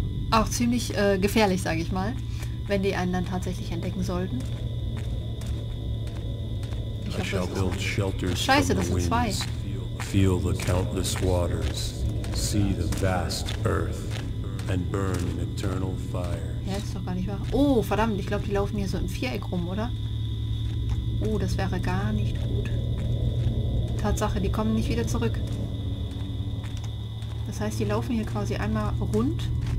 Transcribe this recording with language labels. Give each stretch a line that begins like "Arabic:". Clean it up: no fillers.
German: Auch ziemlich gefährlich, sag ich mal. Wenn die einen dann tatsächlich entdecken sollten. Ich hoffe, das ist Scheiße, das sind zwei.
English: Feel the countless waters, see the vast earth, and burn in eternal fire.
German: Ja, ist doch gar nicht wahr. Oh, verdammt, ich glaube, die laufen hier so im Viereck rum, oder? Oh, das wäre gar nicht gut. Tatsache, die kommen nicht wieder zurück. Das heißt, die laufen hier quasi einmal rund.